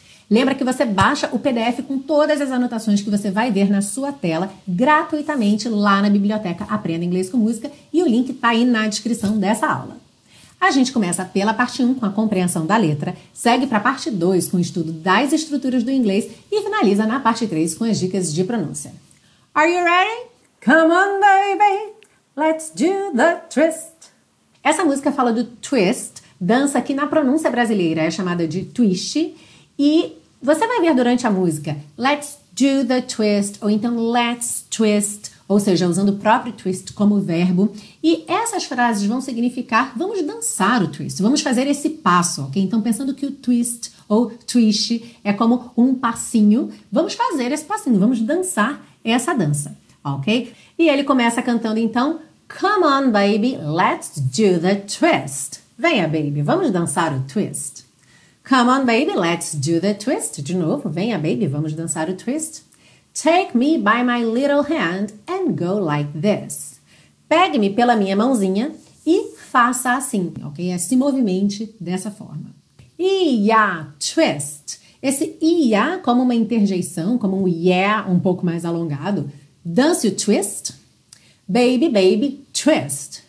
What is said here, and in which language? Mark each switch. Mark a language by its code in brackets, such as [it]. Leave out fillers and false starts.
[pt] Lembra que você baixa o PDF com todas as anotações que você vai ver na sua tela gratuitamente lá na biblioteca Aprenda Inglês com Música, e o link tá aí na descrição dessa aula. A gente começa pela parte 1, com a compreensão da letra, segue para a parte 2, com o estudo das estruturas do inglês, e finaliza na parte 3, com as dicas de pronúncia. [en] Are you ready? Come on, baby, let's do the twist. [pt] Essa música fala do twist, dança que na pronúncia brasileira é chamada de twist, e você vai ver durante a música, [en] let's do the twist, [pt] ou então [en] let's twist, [pt] ou seja, usando o próprio twist como verbo. E essas frases vão significar, vamos dançar o twist, vamos fazer esse passo, ok? Então, pensando que o twist ou twist é como um passinho, vamos fazer esse passinho, vamos dançar essa dança, ok? E ele começa cantando, então, [en] come on, baby, let's do the twist. [pt] Venha, baby, vamos dançar o twist. [en] Come on, baby, let's do the twist. [pt] De novo, venha, baby, vamos dançar o twist. [en] Take me by my little hand and go like this. [pt] Pegue-me pela minha mãozinha e faça assim, ok? Se movimente dessa forma. Ia, twist. Esse ia, como uma interjeição, como um yeah um pouco mais alongado. Dance o twist. Baby, baby, twist.